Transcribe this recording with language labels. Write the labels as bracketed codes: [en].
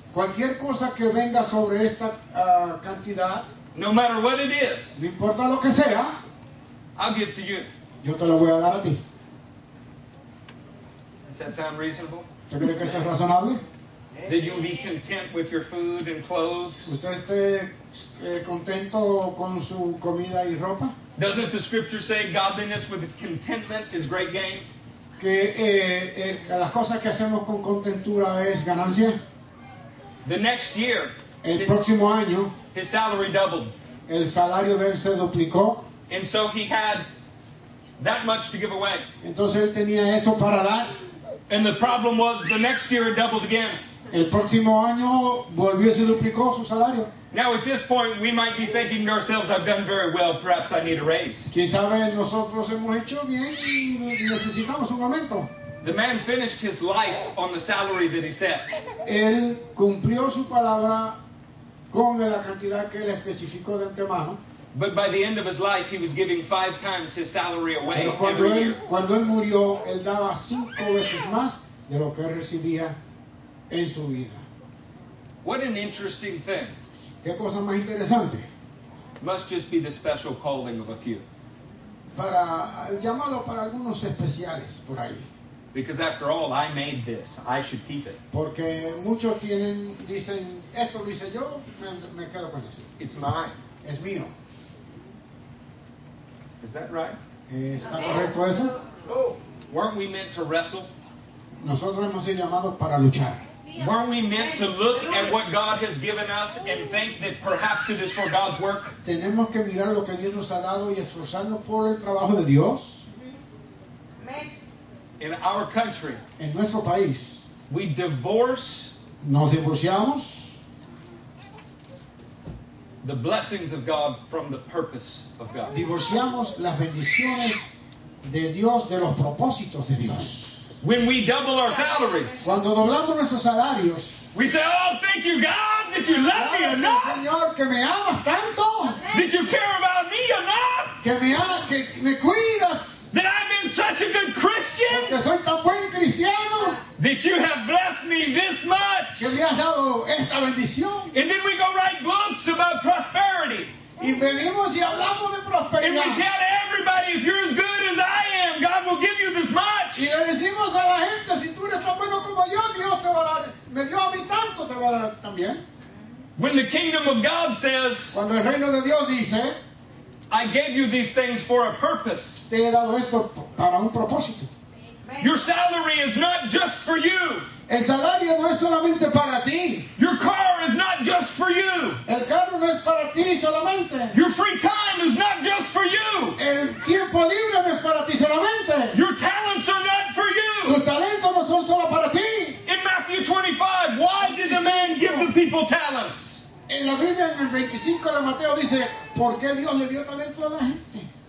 [es] Cualquier cosa que venga sobre esta cantidad. [en] No matter what it is. [es] No importa lo que sea. [en] I'll give to you. [es] Yo te lo voy a dar a ti. [en] Does that sound reasonable? [es] ¿Tú crees que eso es razonable? [en] That you'll be content with your food and clothes. [es] ¿Usted esté contento con su comida y ropa? [en] Doesn't the scripture say godliness with contentment is great gain? [es] Que las cosas que hacemos con contentura es ganancia. [en] The next year, [es] el próximo año, [en] his salary doubled. [es] El salario de él se duplicó. [en] And so he had that much to give away. [es] Entonces él tenía eso para dar. [en] And the problem was the next year it doubled again. [es] El próximo año volvió y se duplicó su salario. [en] Now at this point we might be thinking to ourselves, I've done very well, perhaps I need a raise. [es] ¿Quién sabe? Nosotros hemos hecho bien y necesitamos un aumento. [en] The man finished his life on the salary that he set. [es] Él cumplió su palabra con la cantidad que él especificó de antemano. [en] But by the end of his life he was giving five times his salary away. [es] Pero cuando él murió, él daba cinco veces más de lo que recibía en su vida. [en] What an interesting thing. [es] ¿Qué cosa más interesante? [en] Must just be the special calling of a few. [es] Para el llamado para algunos especiales por ahí. [en] Because after all, I made this. I should keep it. [es] Porque muchos tienen, dicen, esto lo hice yo, me quedo con esto. [en] It's mine. [es] Es mío. [en] Is that right? [es] ¿Está correcto eso? [en] Oh. Weren't we meant to wrestle? [es] Nosotros hemos sido llamados para luchar. [en] Weren't we meant to look at what God has given us and think that perhaps it is for God's work? [es] Tenemos que mirar lo que Dios nos ha dado y esforzarnos por el trabajo de Dios. [en] In our country, [es] en nuestro país, [en] we divorce, [es] nos divorciamos, [en] the blessings of God from the purpose of God. [es] Divorciamos las bendiciones de Dios de los propósitos de Dios. [en] When we double our salaries, [es] cuando doblamos nuestros salarios, [en] we say, oh, thank you, God, that you love me enough. [es] Señor, que me amas tanto. [en] That you care about me enough. [es] Que me cuidas. [en] That I've been such a good Christian. [es] Que soy tan buen cristiano. [en] That you have blessed me this much. [es] Que me has dado esta bendición. [en] And then we go write books about prosperity. [es] Y venimos y hablamos de prosperidad. [en] And we tell everybody, if you're as good as I am, God will give you this much. [es] Y le decimos a la gente, si tú eres tan bueno como yo, Dios te va a dar, me dio a mí tanto, te va a dar también. [en] When the kingdom of God says, [es] cuando el reino de Dios dice, [en] I gave you these things for a purpose. [es] Te he dado esto para un propósito. [en] Your salary is not just for you. [es] El salario no es solamente para ti. [en] Your car is not just for you. [es] El carro no es para ti solamente. [en] Your free time is not just for you. [es] El tiempo libre no es para ti solamente. [en] Your talents are not for you. [es] Tus talentos no son solo para ti. [en] In Matthew 25, why did the man give the people talents? [es] En la Biblia, en el 25 de Mateo, dice, ¿por qué Dios le dio talento a la gente?